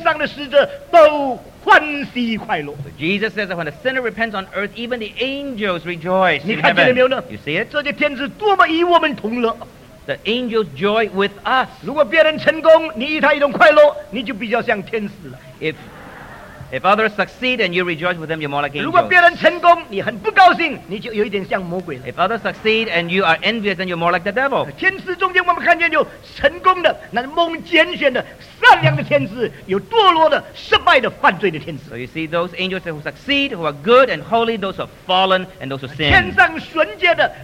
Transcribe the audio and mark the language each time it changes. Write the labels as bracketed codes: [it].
[zh] 耶稣基督说，在地上有一个人悔改，天上的使者都欢喜快乐。 [en] So Jesus says that when a sinner repents on earth, even the angels rejoice. [zh] 你看见了没有呢？ [en] You see it? [zh] 这些天使多么与我们同乐。 [en] The angels joy with us. [zh] 如果别人成功，你与他一同快乐，你就比较像天使了。 [en] If others succeed and you rejoice with them, you're more like angels. [zh] 如果别人成功，你很不高兴，你就有一点像魔鬼了。 [en] If others succeed and you are envious, then you're more like the devil. [zh] 天使中间我们看见有成功的，那蒙拣选的善良的天使，有堕落的失败的犯罪的天使。 [en] So you see those angels who succeed, who are good and holy, those who have fallen and those who sin.